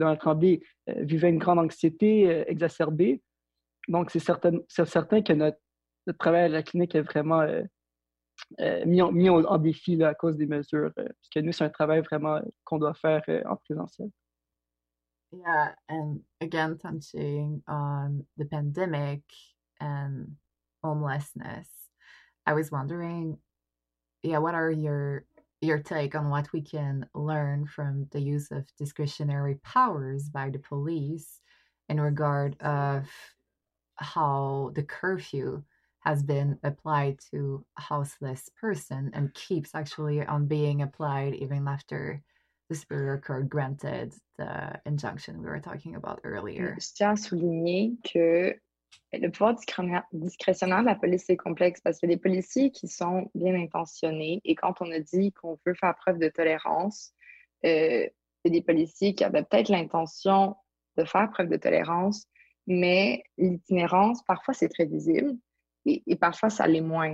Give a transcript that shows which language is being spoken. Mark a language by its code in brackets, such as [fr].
[fr] Donald Tremblay, vivaient une grande anxiété exacerbée. Donc, c'est certain que notre travail à la clinique est vraiment mis en défi là, à cause des mesures, parce que nous, c'est un travail vraiment qu'on doit faire en présentiel. [en] Yeah, and again, touching on the pandemic and homelessness, I was wondering, yeah, what are your take on what we can learn from the use of discretionary powers by the police in regard of how the curfew has been applied to houseless person and keeps actually on being applied even after the Superior Court granted the injunction we were talking about earlier. [fr] Je tiens à souligner que Le pouvoir discrétionnaire de la police est complexe parce qu'il y a des policiers qui sont bien intentionnés et quand on a dit qu'on veut faire preuve de tolérance, c'est des policiers qui avaient peut-être l'intention de faire preuve de tolérance, mais l'itinérance, parfois, c'est très visible et parfois, ça l'est moins.